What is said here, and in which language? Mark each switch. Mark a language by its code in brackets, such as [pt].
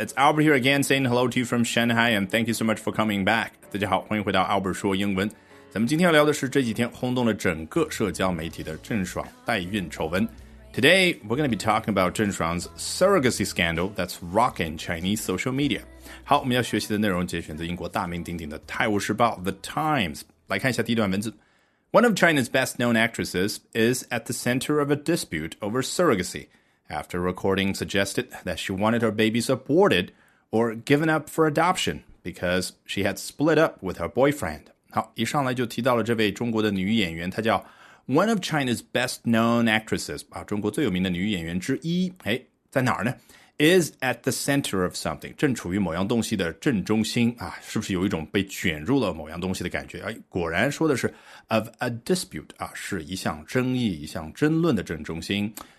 [en] It's Albert here again, saying hello to you from Shanghai, and thank you so much for coming back. [zh] 大家好，欢迎回到 Albert 说英文。咱们今天要聊的是这几天轰动了整个社交媒体的郑爽代孕丑闻。 [en] Today, we're going to be talking about 郑爽's surrogacy scandal that's rocking Chinese social media. [zh] 好，我们要学习的内容节选自英国大名鼎鼎的《泰晤士报》The Times。来看一下第一段文字。 [en] One of China's best-known actresses is at the center of a dispute over surrogacy. After recording suggested that she wanted her babies aborted or given up for adoption because she had split up with her boyfriend. [zh] 好，一上来就提到了这位中国的女演员，她叫 [en] one of China's best known actresses,、 [zh] 啊、中国最有名的女演员之一。哎，在哪儿呢？ [en] Is at the center of something, [zh] 正处于某样东西的正中心、啊、是不是有一种被卷入了某样东西的感觉、哎、果然说的是 [en] of a dispute,、 [zh] 啊、是一项争议，一项争论的正中心。